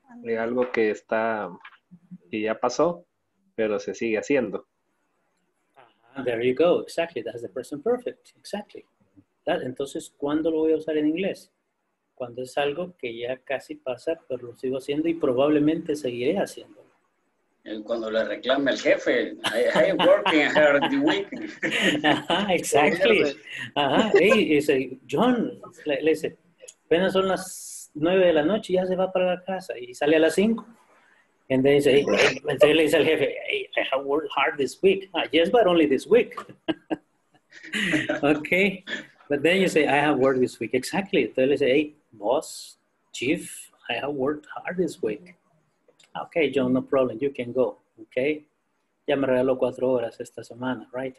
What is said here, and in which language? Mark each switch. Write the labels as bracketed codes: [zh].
[es] Es algo que está, que ya pasó, pero se sigue haciendo. [en] There you go, exactly, that's the present perfect, exactly. [es] That, entonces, ¿cuándo lo voy a usar en inglés? Cuando es algo que ya casi pasa, pero lo sigo haciendo y probablemente seguiré haciendo. Cuando le reclame el jefe, [en] I'm working hard the week. Uh-huh, exactly. Uh-huh. [es] Hey, dice, John, le dice, apenas son las 9 de la noche y ya se va para la casa y sale a las 5. [en] And then he say, hey, [es] le dice al jefe, [en] hey, I have worked hard this week. Yes, but only this week. Okay. But then you say, I have worked this week. Exactly. [es] Entonces le dice, [en] hey, boss, chief, I have worked hard this week. Okay, John, no problem. You can go, okay? [es] Ya me regaló 4 horas esta semana, [en] right?